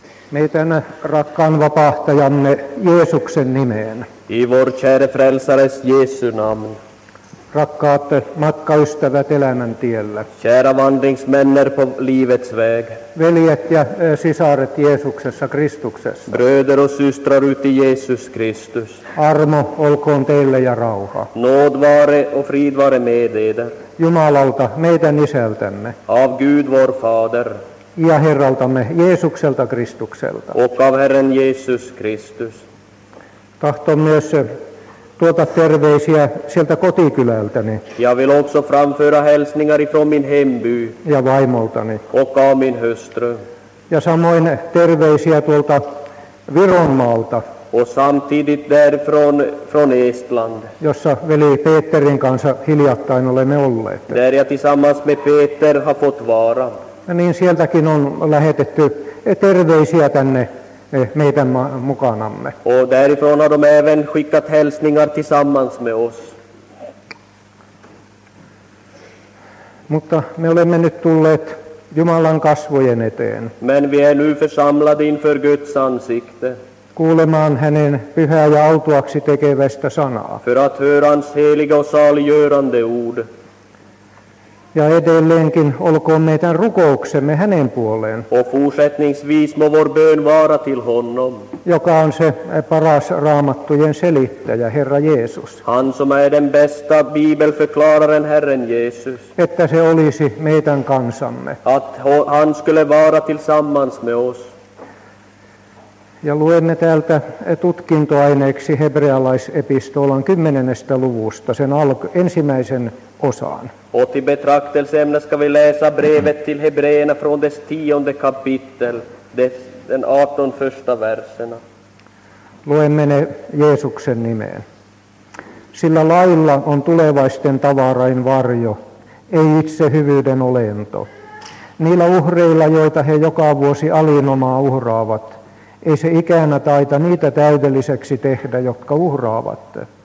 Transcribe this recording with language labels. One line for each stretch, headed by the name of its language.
Finnish: Meidän rakkaan vapahtajamme Jeesuksen nimeen.
Swedish: I vår käre frälsares Jesu namn.
Finnish: Rakkaat matkaystävät elämän tiellä.
Swedish: Kära vandringsmänner på livets väg.
Finnish: Veljet ja sisaret Jeesuksessa Kristuksessa.
Swedish: Bröder och systrar uti Jesus Kristus.
Finnish: Armo olkoon teille ja rauha.
Swedish: Nåd vare och frid vare med eder.
Finnish: Jumalalta, meidän isältämme.
Swedish: Av Gud vår fader.
Finnish: Ja Herraltamme Jeesukselta Kristukselta.
Swedish: Och av Herren Jesus Kristus.
Finnish: Tahton myös tuota terveisiä sieltä kotikylältäni.
Swedish: Jag vill också framföra hälsningar ifrån min hemby.
Finnish: Ja vaimoltani.
Swedish: Och av min hustru.
Finnish: Ja samoin terveisiä tuolta Vironmaalta.
Swedish: Och samtidigt därifrån från Estland.
Finnish: Jossa veli Peterin kanssa hiljattain olemme olleet.
Swedish: Där jag tillsammans med Peter har fått vara.
Finnish: Ja niin sieltäkin on lähetetty terveisiä tänne meidän mukanamme.
Swedish: Och därifrån har de även skickat hälsningar tillsammans med oss.
Finnish: Mutta me olemme nyt tulleet Jumalan kasvojen eteen.
Swedish: Men vi är nu församlade inför Guds ansikte.
Finnish: Kuulemaan hänen pyhää ja autuaksi tekevästä sanaa.
Swedish: För att höra hans heliga och saliggörande ord.
Finnish: Ja edelleenkin olkoon meidän rukouksemme hänen puoleen.
Swedish: Och fortsättningsvis må vår bön vara till honom.
Finnish: Joka on se paras raamattujen selittäjä, Herra Jeesus.
Swedish: Han som är den bästa bibelförklararen, Herren Jesus.
Finnish: Että se olisi meidän kansamme.
Swedish: Att han skulle vara tillsammans med oss.
Finnish: Ja luemme täältä tutkintoaineeksi hebrealaisepistolan 10. luvusta, sen ensimmäisen osaan.
Swedish: Och till betraktelseämnen ska vi läsa brevet till hebreerna från dess 10:e kapitel, den 18 första verserna.
Finnish: Luemme ne Jeesuksen nimeen. Sillä lailla on tulevaisten tavarain varjo, ei itse hyvyyden olento. Niillä uhreilla, joita he joka vuosi alinomaa uhraavat, ei se ikänä taita niitä täydelliseksi tehdä, jotka uhraavat.